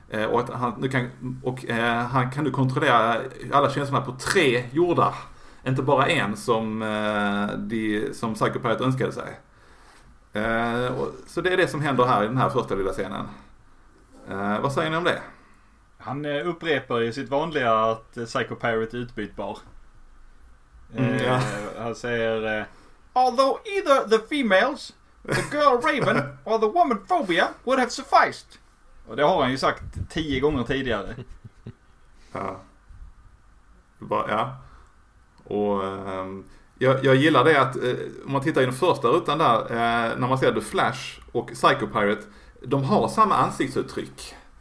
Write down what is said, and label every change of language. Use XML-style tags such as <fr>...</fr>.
<sv>Och att han nu kan, och han kan nu kontrollera alla känslorna på tre jordar, inte bara en som Psycho Pirate önskade sig. Så det är det som händer här i den här första lilla scenen. Vad säger ni om det? Han upprepar ju sitt vanliga att Psycho Pirate är utbytbar. Han säger</sv> <en>although either the females, the girl Raven, or the woman Phobia would have sufficed.</en> <sv>Och det har han ju sagt 10 gånger tidigare. Ja. Bara, ja. Och jag gillar det att om man tittar i den första rutan där, när man ser The Flash och Psycho Pirate, de har samma ansiktsuttryck.</sv>